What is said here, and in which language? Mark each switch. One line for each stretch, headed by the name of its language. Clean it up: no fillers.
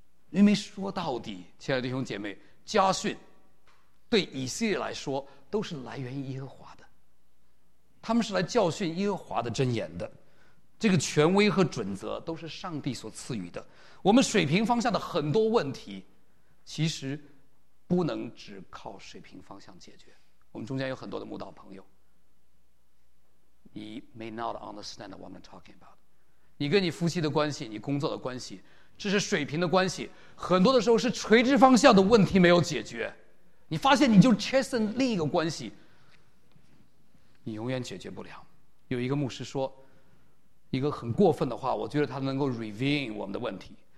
Chinese: 因为说到底，亲爱的弟兄姐妹，家训对以色列来说都是来源于耶和华的，他们是来教训耶和华的箴言的，这个权威和准则都是上帝所赐予的。我们水平方向的很多问题其实不能只靠水平方向解决。我们中间有很多的牧道朋友，你
English: may not understand what I'm talking about。
Chinese: 你跟你夫妻的关系，你工作的关系，这是水平的关系，很多的时候是垂直方向的问题没有解决，你发现你就 chasing 另一个关系，你永远解决不了。有一个牧师说一个很过分的话，我觉得他能够 reveal 我们的问题。